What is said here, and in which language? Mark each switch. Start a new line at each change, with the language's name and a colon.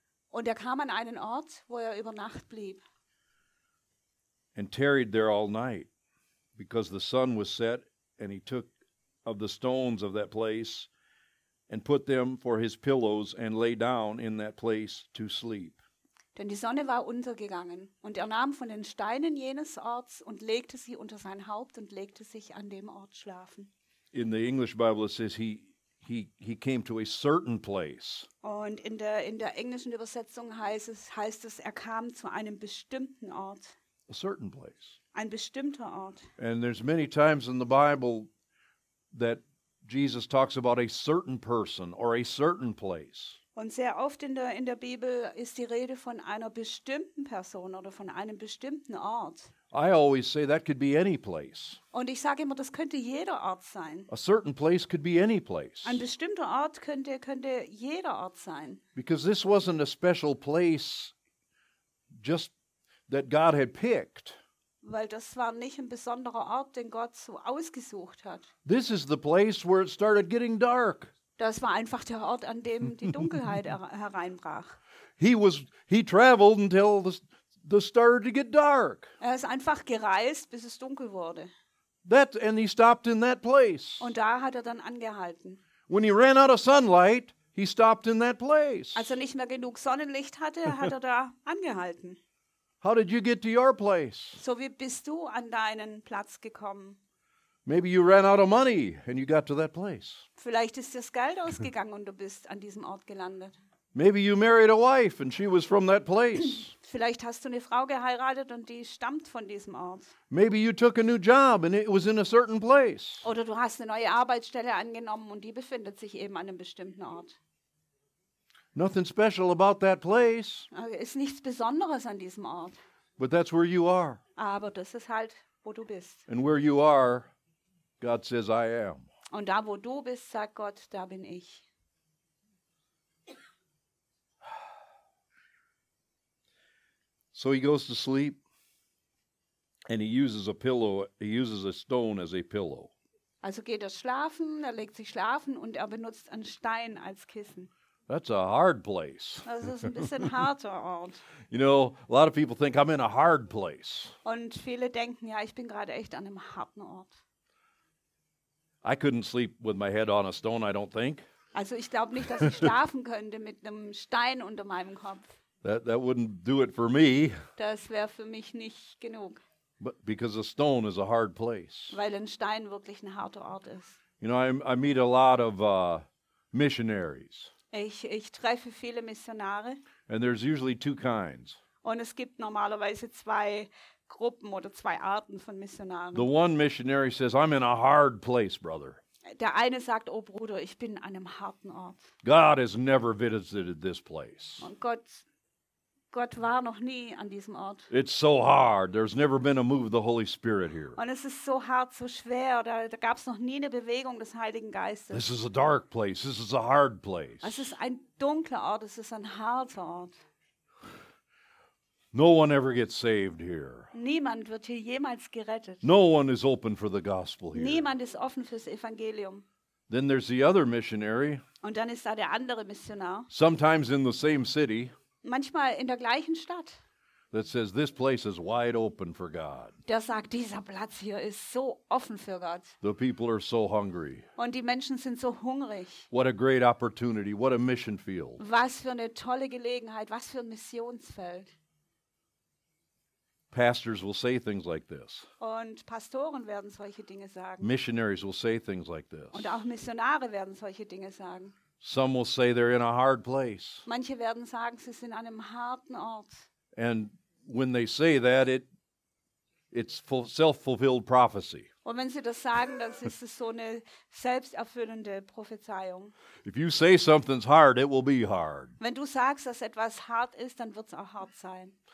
German: Und er kam an einen Ort, wo er über Nacht blieb.
English: And tarried there all night, because the sun was set, and he took of the stones of that place and put them for his pillows and lay down in that place to sleep.
German: Denn die Sonne war untergegangen, und er nahm von den Steinen jenes Orts und legte sie unter sein Haupt und legte sich an dem Ort schlafen.
English: In the English Bible it says he came to a certain place.
German: Und in der englischen Übersetzung heißt es, er kam zu einem bestimmten Ort.
English: A certain place.
German: Ein bestimmter Ort.
English: And there's many times in the Bible that Jesus talks about a certain person or a certain place.
German: Und sehr oft in der Bibel ist die Rede von einer bestimmten Person oder von einem bestimmten Ort.
English: I always say that could be any place.
German: Und ich sage immer, das könnte jeder Ort sein.
English: A certain place could be any place.
German: Ein bestimmter Ort könnte jeder Ort sein.
English: Because this wasn't a special place just that God had picked.
German: Weil das war nicht ein besonderer Ort, den Gott so ausgesucht hat.
English: This is the place where it started getting dark.
German: Das war einfach der Ort, an dem die Dunkelheit hereinbrach.
English: He traveled until the started to get dark.
German: Er ist einfach gereist, bis es dunkel wurde.
English: And he stopped in that place.
German: Und da hat er dann angehalten.
English: When he ran out of sunlight, he stopped in that place.
German: Als er nicht mehr genug Sonnenlicht hatte, hat er da angehalten.
English: How did you get to your place?
German: So wie bist du an deinen Platz gekommen?
English: Maybe you ran out of money and you got to that place.
German: Vielleicht ist das Geld ausgegangen und du bist an diesem Ort gelandet.
English: Maybe you married a wife and she was from that place.
German: Vielleicht hast du eine Frau geheiratet und die stammt von diesem Ort.
English: Maybe you took a new job and it was in a certain place.
German: Oder du hast eine neue Arbeitsstelle angenommen und die befindet sich eben an einem bestimmten Ort.
English: Nothing special about that place.
German: Ist nichts Besonderes an diesem Ort.
English: But that's where you are.
German: Aber das ist halt, wo du bist.
English: And where you are, God says, I am.
German: Und da, wo du bist, sagt Gott, da bin ich.
English: So he goes to sleep and he uses a pillow, he uses a stone as a pillow.
German: Also geht er schlafen, er legt sich schlafen und er benutzt einen Stein als Kissen.
English: That's a hard place.
German: Das ist ein bisschen harter Ort.
English: You know, a lot of people think I'm in a hard place.
German: Und viele denken, ja, ich bin gerade echt an einem harten Ort.
English: I couldn't sleep with my head on a stone, I don't think.
German: Also ich glaube nicht, dass ich schlafen könnte mit einem Stein unter meinem Kopf.
English: That wouldn't do it for me.
German: Das wäre für mich nicht genug.
English: But because a stone is a hard place.
German: Weil ein Stein wirklich ein harter Ort ist.
English: You know, I meet a lot of missionaries.
German: Ich treffe viele Missionare.
English: And there's usually two kinds.
German: Und es gibt normalerweise zwei Gruppen oder zwei Arten von Missionaren.
English: The one missionary says, I'm in a hard place, brother.
German: Der eine sagt, oh Bruder, ich bin an einem harten Ort.
English: God has never visited this place.
German: Und Gott war noch nie an diesem Ort.
English: It's so hard. There's never been a move of the Holy Spirit here.
German: Und es ist so hart, so schwer. Da gab es noch nie eine Bewegung des Heiligen Geistes.
English: This is a dark place. This is a hard place.
German: Es ist ein dunkler Ort. Es ist ein harter Ort.
English: No one ever gets saved here.
German: Niemand wird hier jemals gerettet.
English: No one is open for the gospel here.
German: Niemand ist offen fürs Evangelium.
English: Then there's the other missionary.
German: Und dann ist da der andere Missionar.
English: Sometimes in the same city.
German: Manchmal in der gleichen Stadt.
English: That says this place is wide open for God.
German: Der sagt, dieser Platz hier ist so offen für Gott.
English: The people are so hungry.
German: Und die Menschen sind so hungrig.
English: What a great opportunity, what a mission field.
German: Was für eine tolle Gelegenheit, was für ein Missionsfeld.
English: Pastors will say things like this.
German: Und Pastoren werden solche Dinge sagen.
English: Missionaries will say things like this.
German: Und auch Missionare werden solche Dinge sagen.
English: Some will say they're in a hard place.
German: Manche werden sagen, sie sind an einem harten Ort.
English: And when they say that, it's self-fulfilled prophecy.
German: Und wenn sie das sagen, dann ist es so eine selbsterfüllende Prophezeiung.
English: If you say something's hard, it will be hard.
German: Wenn du sagst, dass etwas hart ist, dann wird's auch hart sein.